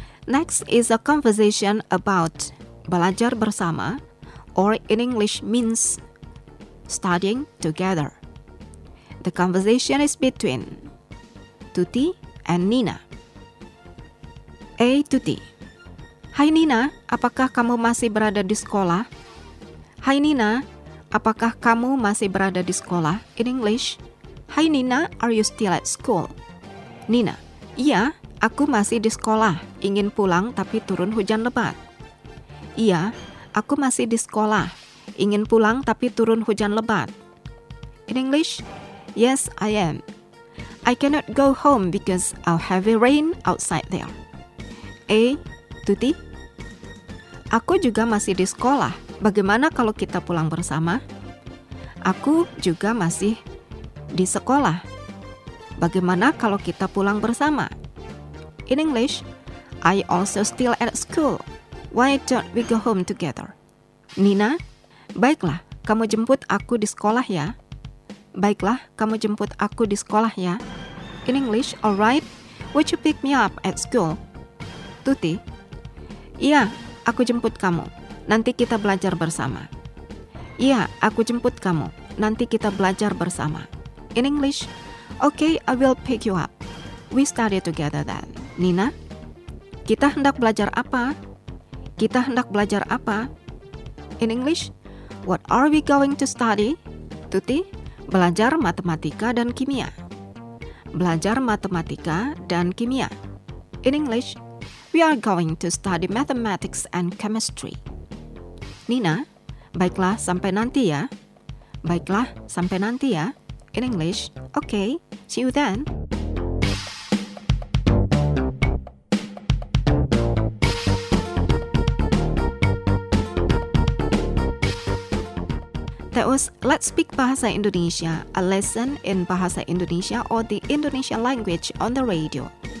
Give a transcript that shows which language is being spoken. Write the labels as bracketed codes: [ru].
[en] Next is a conversation about [id] belajar bersama, [en] or in English, means studying together. The conversation is between Tuti and Nina. Hey Tuti. [id] Hai Nina, apakah kamu masih berada di sekolah? Hai Nina, apakah kamu masih berada di sekolah? [en] In English, Hai Nina, are you still at school? [id] Nina, iya, aku masih di sekolah. Ingin pulang tapi turun hujan lebat. Iya, aku masih di sekolah. Ingin pulang tapi turun hujan lebat. [en] In English, yes, I am. I cannot go home because of heavy rain outside there. A. Tuti. [id] Aku juga masih di sekolah. Bagaimana kalau kita pulang bersama? Aku juga masih di sekolah. Bagaimana kalau kita pulang bersama? [en] In English, I also still at school. Why don't we go home together? [id] Nina, baiklah, kamu jemput aku di sekolah ya. Baiklah, kamu jemput aku di sekolah ya. [en] In English, alright, would you pick me up at school? [id] Tuti, iya, aku jemput kamu. Nanti kita belajar bersama. Iya, aku jemput kamu. Nanti kita belajar bersama. [en] In English, okay, I will pick you up. We study together then. [id] Nina, kita hendak belajar apa? Kita hendak belajar apa? [en] In English, what are we going to study? Tuti, [id] belajar matematika dan kimia. Belajar matematika dan kimia. [en] In English, we are going to study mathematics and chemistry. [id] Nina, baiklah sampai nanti ya. Baiklah sampai nanti ya. [en] In English, okay, see you then. That was Let's Speak Bahasa Indonesia, a lesson in Bahasa Indonesia or the Indonesian language on the radio.